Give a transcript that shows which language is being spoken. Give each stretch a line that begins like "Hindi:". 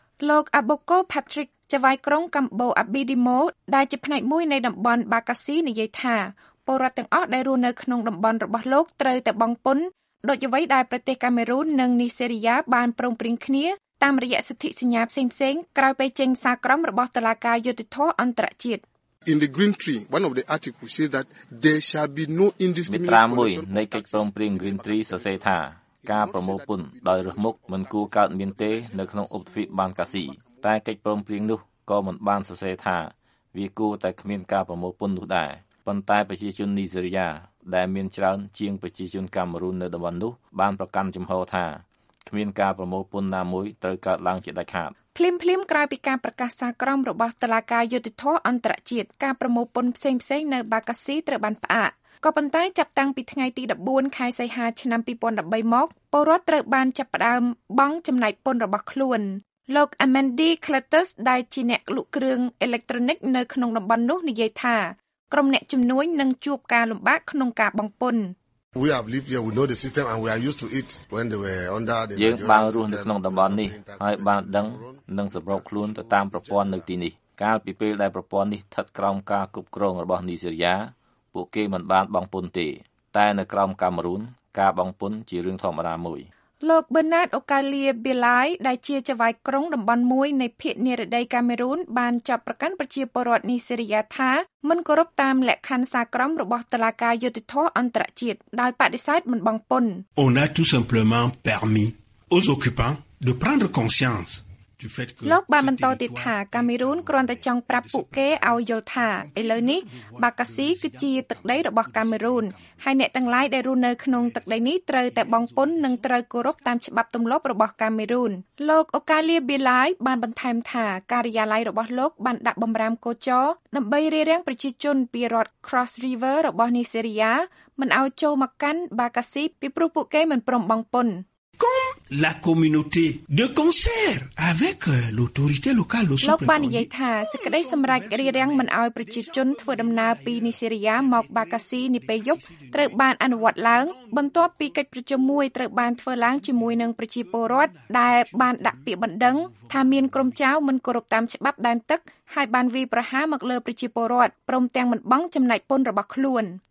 Khmer: លោកអាបូកូផាត្រិកចៅហ្វាយក្រុងកម្ពុជាអាប៊ីឌីម៉ូដែលជាផ្នែកមួយនៃតំបន់បាកាស៊ីនិយាយថាពលរដ្ឋទាំងអស់ដែលរស់នៅក្នុងតំបន់របស់លោកត្រូវតែបង់ពន្ធដូចអ្វីដែលប្រទេសកាមេរូននិងនីសេរីយ៉ាបានព្រមព្រៀងគ្នាតាមរយៈសិទ្ធិសញ្ញាផ្សេងៗក្រោយពេលចេញសារក្រមរបស់តុលាការយុតិធម៌អន្តរជាតិ
English: In the Green Treaty one of the articles says that there shall be no indiscriminate collection
Khmer: នៃកិច្ចព្រមព្រៀង Green Treaty សរសេរថាការប្រមូលពន្ធដោយរើសមុខមិនគួរកើតមានទេនៅក្នុងឧបទ្វីបបានកាស៊ីតែកិច្ចព្រមព្រៀងនោះក៏មិនបានសរសេរថាវាគួរតែគ្មានការប្រមូលពន្ធនោះដែរប៉ុន្តែប្រជាជននីសេរីយ៉ាដែលមានច្រើនជាងប្រជាជនកាមេរូននៅតំបន់នោះបានប្រកាន់ចំហថាគ្មានការប្រមូលពន្ធណាមួយត្រូវកើតឡើងជាដាច់ខាត ភ្លាមៗក្រោយពីការប្រកាសសារក្រមរបស់តុលាការយុត្តិធម៌អន្តរជាតិការប្រមូលពន្ធផ្សេងៗនៅបាកាស៊ីត្រូវបានផ្អាកក៏ប៉ុន្តែចាប់តាំងពីថ្ងៃទី14ខែសីហាឆ្នាំ2013មកពលរដ្ឋត្រូវបានចាប់ផ្ដើមបង់ចំណាយពន្ធរបស់ខ្លួនលោក Amendy Clatus ដែលជាអ្នកលក់គ្រឿងអេឡិចត្រូនិកនៅក្នុងតំបន់នោះនិយាយថាក្រុមអ្នកជំនួញនឹងជួបការលំបាកក្នុងការបង់ពន្ធ
English: We have lived here we know the system and we are used to it when they were under the
Khmer: យើងបានរស់នៅក្នុងតំបន់នេះហើយបានដឹងនិងសម្របខ្លួនទៅតាមប្រព័ន្ធនៅទីនេះកាលពីពេលដែលប្រព័ន្ធនេះស្ថិតក្រោមការគ្រប់គ្រងរបស់នីសេរីយ៉ាពួកគេមិនបានបង់ពន្ធទេតែនៅក្រោមកាមេរូនការបង់ពន្ធជារឿងធម្មតាមួយ លោក Bernard Okalie Bilai ដែលជាចៅហ្វាយក្រុងតំបន់មួយនៃភាគនិរតីកាមេរូនបានចាប់ប្រកាន់ប្រជាពលរដ្ឋនីសេរីយ៉ាថាមិនគោរពតាមលក្ខខណ្ឌសារក្រមរបស់តុលាការយុត្តិធម៌អន្តរជាតិដោយបដិសេធមិនបង់ពន្ធ
French: On a tout simplement permis aux occupants de prendre conscience du fait que
Khmer: លោកបានបន្តទៀតថាកាមេរូនគ្រាន់តែចង់ប្រាប់ពួកគេឲ្យយល់ថាឥឡូវនេះបាកាស៊ីគឺជាទឹកដីរបស់កាមេរូនហើយអ្នកទាំងឡាយដែលរស់នៅក្នុងទឹកដីនេះត្រូវតែបង់ពន្ធនិងត្រូវគោរពតាមច្បាប់ទម្លាប់របស់កាមេរូនលោកអូកាលីបីឡាយបានបន្ថែមថាការិយាល័យរបស់លោកបានដាក់បំរាមកោចរដើម្បីរារាំងប្រជាជនពីរដ្ឋ Cross River របស់នីសេរីយ៉ាមិនឲ្យចូលមកកាន់បាកាស៊ីពីព្រោះពួកគេមិនព្រមបង់ពន្ធ
French: La communauté de concert avec l'autorité locale au sous-préfet.
Khmer: លោកបាននិយាយថាសេចក្តីសម្រេចរារាំងមិនឲ្យប្រជាជនធ្វើដំណើរពីនីសេរីយ៉ាមកបាកាស៊ីនេះពេលយប់ត្រូវបានអនុវត្តឡើងបន្ទាប់ពីកិច្ចប្រជុំមួយត្រូវបានធ្វើឡើងជាមួយនឹងប្រជាពលរដ្ឋដែលបានដាក់ពាក្យបណ្ដឹងថាមានក្រុមចោរមិនគោរពតាមច្បាប់ដែនទឹកហើយបានវាយប្រហារមកលើប្រជាពលរដ្ឋព្រមទាំងមិនបង់ចំណាយពន្ធរបស់ខ្លួន